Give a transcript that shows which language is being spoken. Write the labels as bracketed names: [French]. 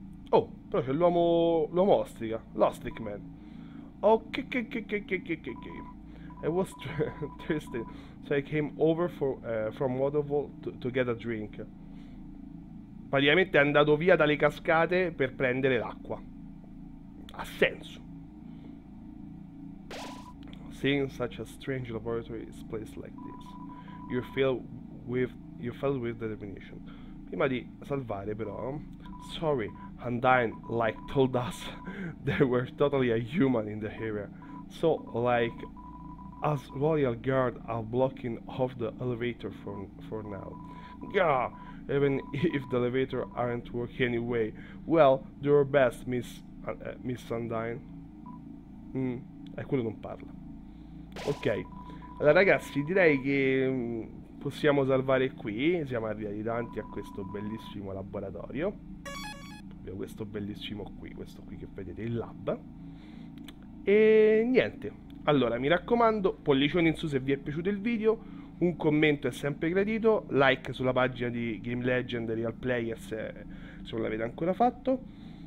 [Italian] Oh, però c'è l'uomo. L'uomo ostrica. L'ostrich man. Oh, che. [English] I was thirsty, so I came over for, from Waterfall to get a drink. [Italian] Praticamente è andato via dalle cascate per prendere l'acqua. Ha senso. [English] Seeing such a strange laboratory is placed like this, you're filled with determination. [Italian] Prima di salvare però, [English] sorry, Undyne like told us they were totally a human in the area, so like us royal guard are blocking off the elevator for now. Yeah, even if the elevator aren't working anyway, well, do your best, Miss Undyne. [Italian] E quello non parla. Ok, allora ragazzi, direi che possiamo salvare qui, siamo arrivati davanti a questo bellissimo laboratorio. Abbiamo questo bellissimo qui, questo qui che vedete, il lab. E niente, allora mi raccomando, pollicione in su se vi è piaciuto il video, un commento è sempre gradito, like sulla pagina di Game Legend Real Player se non l'avete ancora fatto.